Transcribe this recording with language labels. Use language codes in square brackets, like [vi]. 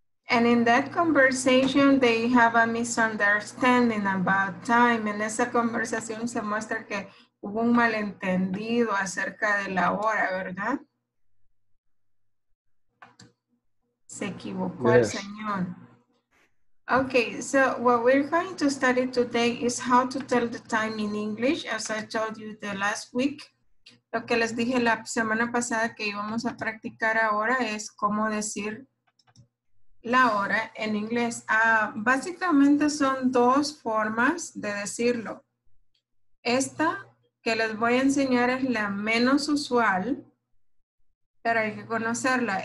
[en] And in that conversation, they have a misunderstanding about time. [es] En esa conversación se muestra que hubo un malentendido acerca de la hora, ¿verdad? Se equivocó el señor. [en] Okay, so what we're going to study today is how to tell the time in English, as I told you the last week. [es] Lo que les dije la semana pasada que íbamos a practicar ahora es cómo decir la hora en inglés. Básicamente son dos formas de decirlo. Esta que les voy a enseñar es la menos usual, pero hay que conocerla.